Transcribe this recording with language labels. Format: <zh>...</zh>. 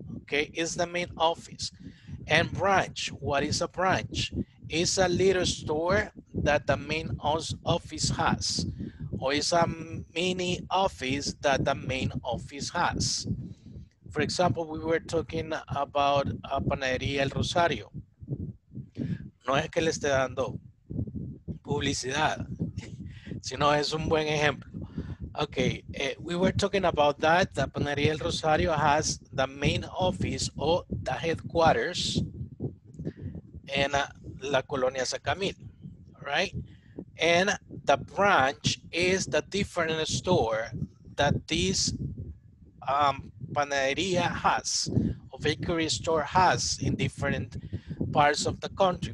<en>Okay, is the main office. And branch, what is a branch? It's a little store that the main office has, or it's a mini office that the main office has. For example, we were talking about a Panadería El Rosario.</en> <es>No es que le esté dando publicidad, sino es un buen ejemplo.</es> <en>Okay, we were talking about that. The Panadería El Rosario has the main office or the headquarters in La Colonia Sacamil, right? And the branch is the different store that this Panadería has, or bakery store has in different parts of the country.</en>